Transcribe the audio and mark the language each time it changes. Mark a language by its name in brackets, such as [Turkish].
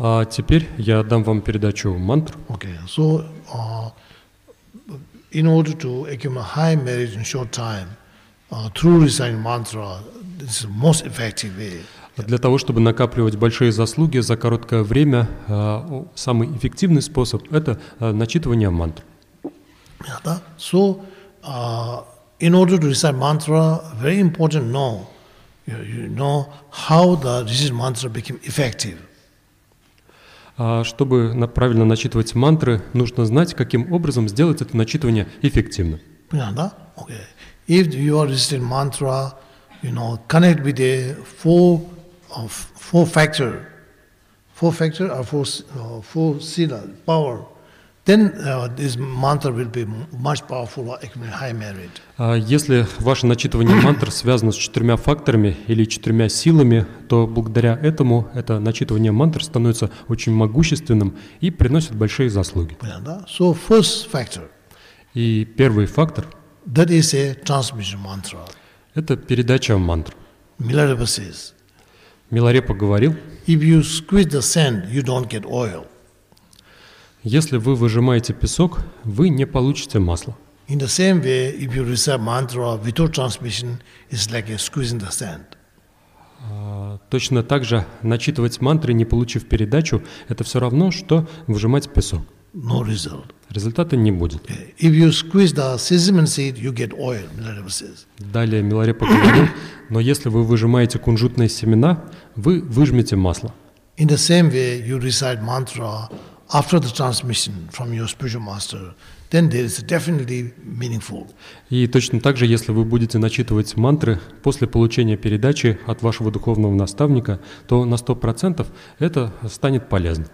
[Russian] Теперь я дам вам передачу мантру. [English] Okay, so in order to accumulate high merit in short time, through reciting mantra, this is the most effective way. [Russian] Для того, чтобы накапливать большие заслуги за короткое время, самый эффективный способ – это начитывание мантр. [English] So, in order to recite mantra, very important know, you know how the recited mantra became effective. [Russian] Чтобы правильно начитывать мантры, нужно знать, каким образом сделать это начитывание эффективным. Понятно? [English] Okay. If you are reciting mantra, you know, connect with the four sila power. Then this mantra will be much powerful and accumulate high merit. [Russian] Если ваше начитывание мантр связано с четырьмя факторами или четырьмя силами, то благодаря этому это начитывание мантр становится очень могущественным и приносит большие заслуги. [English] So first factor. [Russian] И первый фактор. [English] That is a transmission mantra. [Russian] Это передача мантр. [English] Миларепа says. [Russian] Миларепа говорил. [English] If you squeeze the sand, you don't get oil. [Russian] Если вы выжимаете песок, вы не получите масло. [English] In the same way, if you recite mantra without transmission, it's like squeezing the sand. [Russian] Точно так же начитывать мантры, не получив передачу, это все равно, что выжимать песок. [English] No result. [Russian] Результата не будет. [English] Okay. If you squeeze the sesame seed, you get oil, Milarepa says. [Russian] Далее Миларепа говорит, но если вы выжимаете кунжутные семена, вы выжмете масло. [English] In the same way, you recite mantra after the transmission from your spiritual master, then there is definitely meaningful. [Russian] И точно так же, если вы будете начитывать мантры после получения передачи от вашего духовного наставника, то на 100% это станет полезно.